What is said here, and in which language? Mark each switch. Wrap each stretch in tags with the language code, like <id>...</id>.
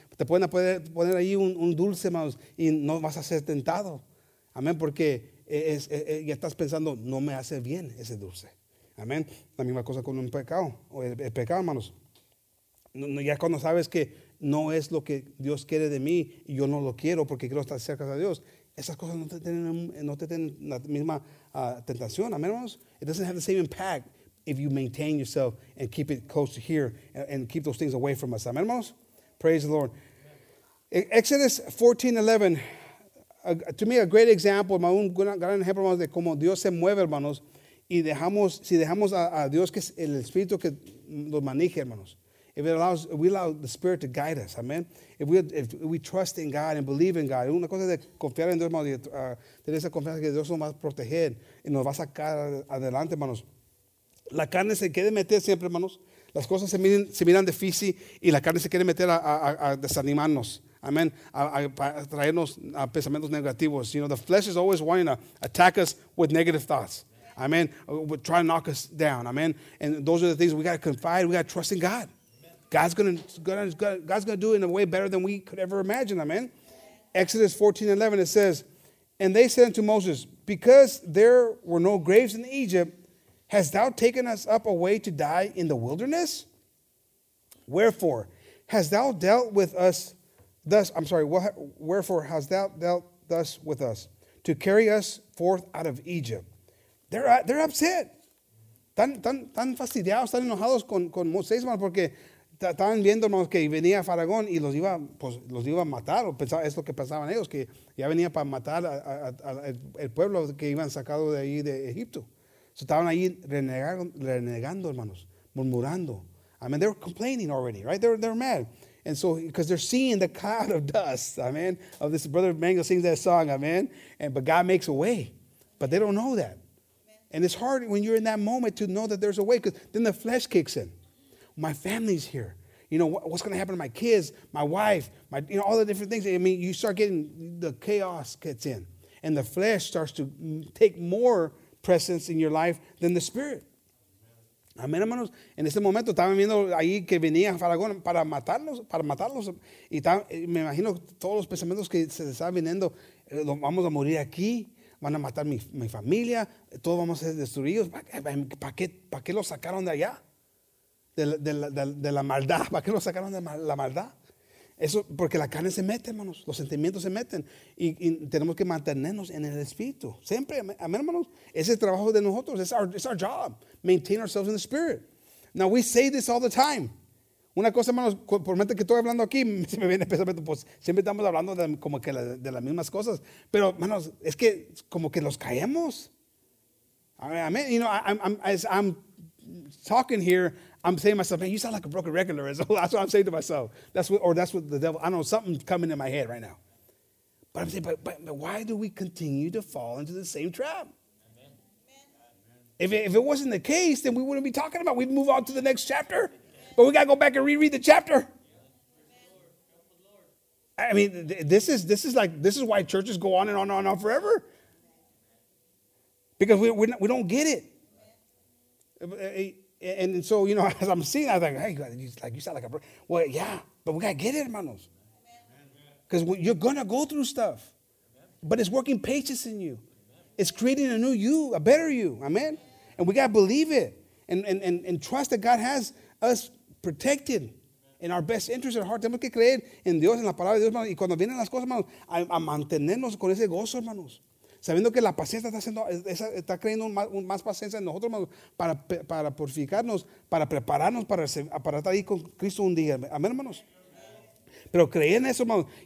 <es>Te pueden poner ahí un dulce, hermanos, y no vas a ser tentado. Amén, porque ya estás pensando, no me hace bien ese dulce. Amén. La misma cosa con un pecado. El pecado, hermanos. Ya cuando sabes que no es lo que Dios quiere de mí y yo no lo quiero porque quiero estar cerca de Dios, esas cosas no te tienen la misma tentación. Amén, hermanos.</es> <en>It doesn't have the same impact if you maintain yourself and keep it close to here and keep those things away from us.</en> <es>Amén, hermanos.</es> <en>Praise the Lord. Exodus 14:11. To me, a great example,</en> <es>un gran ejemplo, hermanos, de cómo Dios se mueve, hermanos, y dejamos, si dejamos a Dios, que es el Espíritu que nos maneje, hermanos.</es> <en>If we allow the Spirit to guide us, amen. If we trust in God</en> <es>and believe in God, una cosa de confiar en Dios, hermanos, tener esa confianza que Dios nos va a proteger y nos va a sacar adelante, hermanos. La carne se quiere meter siempre, hermanos. Las cosas se miran difícil y la carne se quiere meter a desanimarnos. Amen. A traernos a pensamientos negativos.</es> <en>You know, the flesh is always wanting to attack us with negative thoughts. Amen. We're trying to knock us down. Amen. And those are the things we got to confide. We got to trust in God. God's gonna do it in a way better than we could ever imagine. Amen. Exodus 14:11, it says, "And they said unto Moses, because there were no graves in Egypt, hast thou taken us up away to die in the wilderness? Wherefore, hast thou dealt with us thus, I'm sorry, wherefore hast thou dealt thus with us to carry us forth out of Egypt?" They're upset.</en> <es>Tan fastidiados, están enojados con Moisés, hermano, porque estaban viendo, hermanos, que venía Faraón y los iba a matar. O pensaba, es lo que pensaban ellos, que ya venía para matar al pueblo que iban sacado de ahí de Egipto. So estaban ahí renegando, hermanos, murmurando.</es> <en>I mean, they were complaining already, right? They're mad. And so, because they're seeing the cloud of dust, amen, of this brother Mango sings that song, amen, but God makes a way, but they don't know that. Amen. And it's hard when you're in that moment to know that there's a way, because then the flesh kicks in. My family's here. You know, what's going to happen to my kids, my wife, my, you know, all the different things. I mean, you start getting, the chaos gets in, and the flesh starts to take more presence in your life than the Spirit.</en> <es>Amén, hermanos. En ese momento estaban viendo ahí que venía Faraón para matarlos. Y me imagino todos los pensamientos que se estaban viniendo. Vamos a morir aquí. Van a matar mi familia. Todos vamos a ser destruidos. ¿Para qué los sacaron de allá? De la maldad. ¿Para qué los sacaron de la maldad? Eso porque la carne se mete, hermanos. Los sentimientos se meten. Y tenemos que mantenernos en el Espíritu. Siempre. Amén, hermanos. Ese es el trabajo de nosotros.</es> <en>It's our job. Maintain ourselves in the Spirit. Now, we say this all the time.</en> <es>Una cosa, hermanos, por mente que estoy hablando aquí, se me viene el pensamiento, pues, siempre estamos hablando de, como que la, de las mismas cosas. Pero, hermanos, es que como que los caemos.</es> <en>I mean, you know, I'm talking here, I'm saying to myself, man, you sound like a broken record, Lorenzo. That's what I'm saying to myself. That's what the devil, I don't know, something's coming in my head right now. But I'm saying, but why do we continue to fall into the same trap? If it wasn't the case, then we wouldn't be talking about it. We'd move on to the next chapter. But we got to go back and reread the chapter. I mean, this is why churches go on and on and on forever. Because we don't get it. And so, you know, as I'm seeing, I'm like, hey, you sound like a bro. Well, yeah, but we got to get it, hermanos. Because you're going to go through stuff. But it's working patience in you. It's creating a new you, a better you. Amen. And we got to believe it and trust that God has us protected in our best interest and heart.</en> <es>Tenemos que creer en Dios, en la palabra de Dios, hermanos. Y cuando vienen las cosas, hermanos, a mantenernos con ese gozo, hermanos. Sabiendo que la paciencia está creyendo más paciencia en nosotros, hermanos, para purificarnos, para prepararnos, para estar ahí con Cristo un día. Amén, hermanos. Pero creer en eso, hermanos.</es>